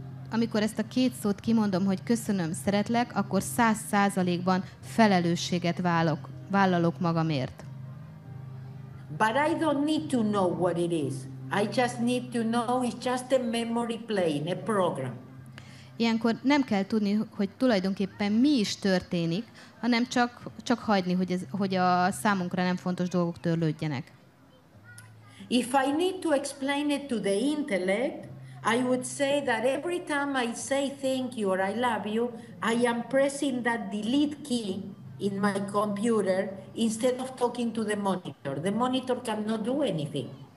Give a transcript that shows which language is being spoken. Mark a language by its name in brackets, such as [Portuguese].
[Hungarian] Amikor ezt a két szót kimondom, hogy köszönöm, szeretlek, akkor 100%-ban felelősséget vállalok magamért. [English] But I don't need to know what it is. I just need to know it's just a memory playing, a program. [Hungarian] Ilyenkor nem kell tudni, hogy tulajdonképpen mi is történik, hanem csak hagyni, hogy a számunkra nem fontos dolgok törlődjenek. [English] If I need to explain it to the intellect, I would say that every time I say thank you or I love you, I am pressing that delete key in my computer instead of talking to the monitor. The monitor cannot do anything.